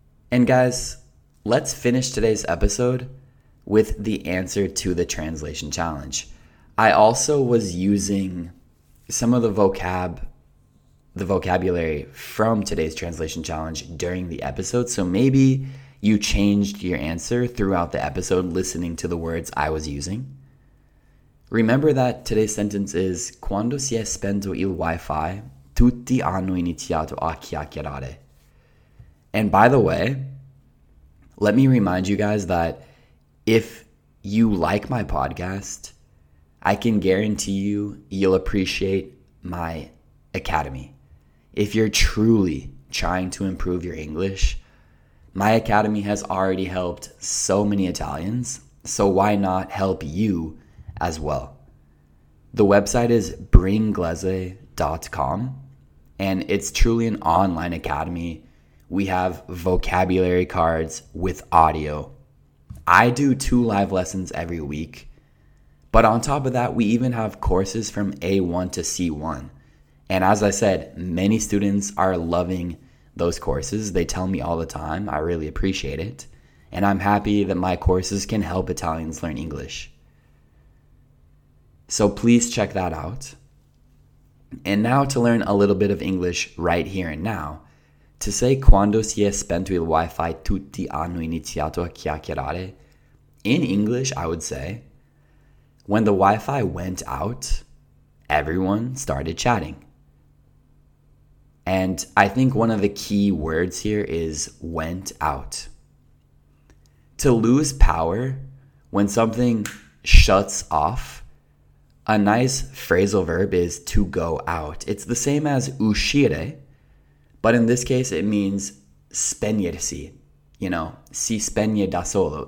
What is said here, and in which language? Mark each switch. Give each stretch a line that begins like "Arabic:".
English: And guys, let's finish today's episode with the answer to the translation challenge. I also was using some of the vocabulary from today's translation challenge during the episode, so maybe you changed your answer throughout the episode listening to the words I was using. Remember that today's sentence is,
Italian: quando si è spento il wifi, tutti hanno iniziato a chiacchierare.
English: And by the way, let me remind you guys that if you like my podcast, I can guarantee you, you'll appreciate my academy. If you're truly trying to improve your English, my academy has already helped so many Italians, so why not help you as well? The website is bringinglese.com, and it's truly an online academy. We have vocabulary cards with audio. I do 2 live lessons every week. But on top of that, we even have courses from A1 to C1. And as I said, many students are loving those courses. They tell me all the time. I really appreciate it. And I'm happy that my courses can help Italians learn English. So please check that out. And now to learn a little bit of English right here and now. To say
Italian: quando si è spento il wifi tutti hanno iniziato a chiacchierare,
English: in English I would say, when the wifi went out, everyone started chatting. And I think one of the key words here is went out. To lose power, when something shuts off, a nice phrasal verb is to go out. It's the same as uscire. But in this case, it means spegnersi, you know,
Italian: si spegne da solo.